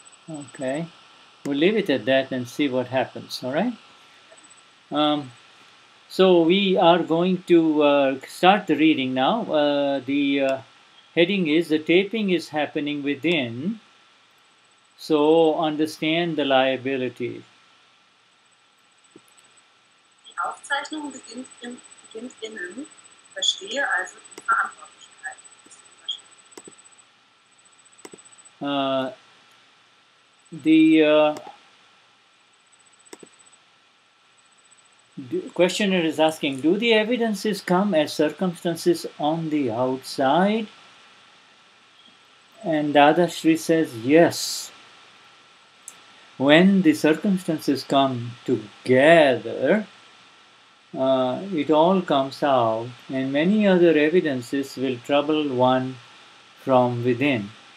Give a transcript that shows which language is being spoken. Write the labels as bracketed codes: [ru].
[en] Okay, we'll leave it at that and see what happens, all right? So we are going to start the reading now. The heading is, the taping is happening within, so understand the liability. [de] Die Aufzeichnung beginnt innen, verstehe also die Verantwortlichkeit. [en] The questioner is asking, do the evidences come as circumstances on the outside? And Dadashri says, yes. When the circumstances come together, it all comes out, and many other evidences will trouble one from within.